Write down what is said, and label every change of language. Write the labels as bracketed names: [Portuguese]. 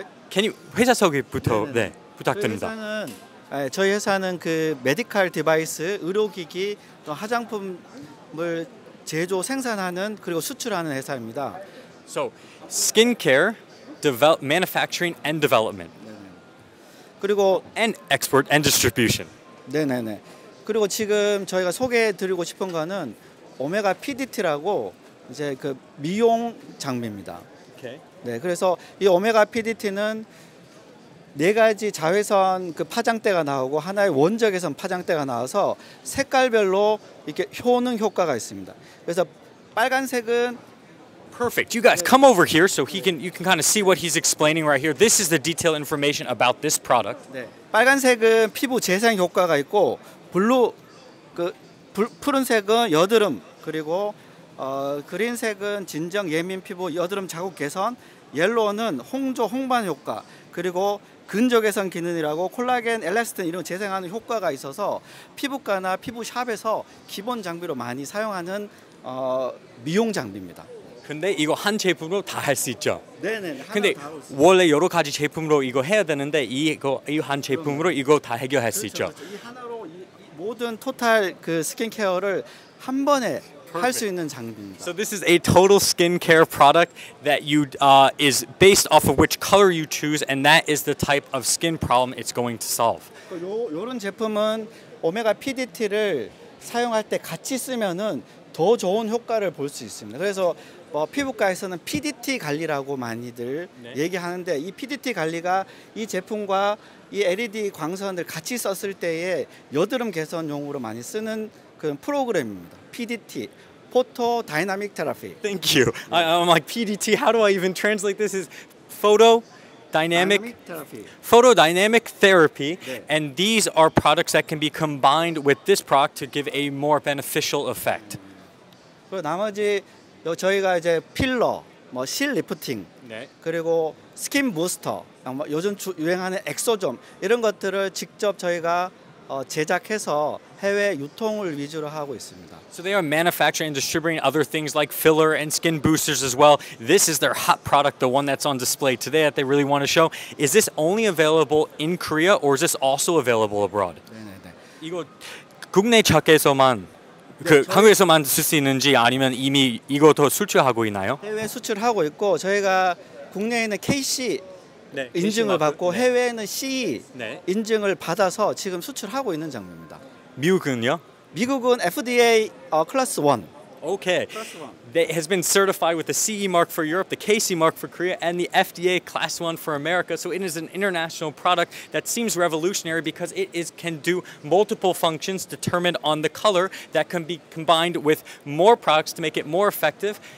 [English] Can you [Korean] 회사 소개부터 네, 부탁드립니다. 저희 회사는 그 메디컬 디바이스, 의료기기, 또 화장품을 제조, 생산하는 그리고 수출하는 회사입니다. [English] So, skincare, develop, manufacturing and development. [Korean] 네네. 그리고 [English] and export and distribution. [Korean] 네네네. 그리고 지금 저희가 소개해드리고 싶은 거는 오메가 PDT라고 이제 그 미용 장비입니다. 오케이. 네, 그래서 이 오메가 PDT는 네 가지 자외선 그 파장대가 나오고 하나의 원적외선 파장대가 나와서 색깔별로 이렇게 효능 효과가 있습니다. 그래서 빨간색은 [English] perfect. You guys come over here so he can you can kind of see what he's explaining right here. This is the detailed information about this product. [Korean] 네. 빨간색은 피부 재생 효과가 있고 블루 그 푸른색은 여드름 그리고 그린색은 진정 예민 피부 여드름 자국 개선, 옐로우는 홍조 홍반 효과 그리고 근적외선 기능이라고 콜라겐, 엘라스틴 이런 재생하는 효과가 있어서 피부과나 피부샵에서 기본 장비로 많이 사용하는 미용 장비입니다. 근데 이거 한 제품으로 다 할 수 있죠? 네네. 근데 다 원래 여러 가지 제품으로 이거 해야 되는데 이 한 제품으로 그러면, 이거 다 해결할 그렇죠, 수 있죠? 그렇죠. 이 하나로 이 모든 토탈 그 스킨케어를 한 번에 할 수 있는 장비입니다. [English] So this is a total skincare product that you is based off of which color you choose, and that is the type of skin problem it's going to solve. [Korean] 이런 제품은 오메가 PDT를 사용할 때 같이 쓰면은 더 좋은 효과를 볼 수 있습니다. 그래서 뭐 피부과에서는 PDT 관리라고 많이들 네. 얘기하는데 이 PDT 관리가 이 제품과 이 LED 광선을 같이 썼을 때에 여드름 개선용으로 많이 쓰는 그런 프로그램입니다. [English] PDT, photo dynamic therapy. Thank you. I'm like PDT. How do I even translate this? Is photo dynamic therapy. Photo dynamic therapy, 네. and these are products that can be combined with this product to give a more beneficial effect. [Korean] 그 나머지 저희가 이제 필러, 뭐 실 리프팅, 네. 그리고 스킨 부스터, 요즘 유행하는 엑소점 이런 것들을 직접 저희가 제작해서 해외 유통을 위주로 하고 있습니다. [English] So they are manufacturing and distributing other things like filler and skin boosters as well. This is their hot product, the one that's on display today that they really want to show. Is this only available in Korea or is this also available abroad? [Korean] 네네네. 이거 국내 자켓에서만 네, 그 저희... 한국에서만 쓸 수 있는지 아니면 이미 이것도 수출하고 있나요? 해외 수출하고 있고 저희가 국내에는 KC 네, 인증을 받고 네. 해외에는 CE 네. 인증을 받아서 지금 수출하고 있는 장면입니다. 미국은요? 미국은 FDA 클래스 1. 오케이. [English] That has been certified with the CE mark for Europe, the KC mark for Korea, and the FDA class 1 for America. So it is an international product that seems revolutionary because it is can do multiple functions determined on the color that can be combined with more products to make it more effective.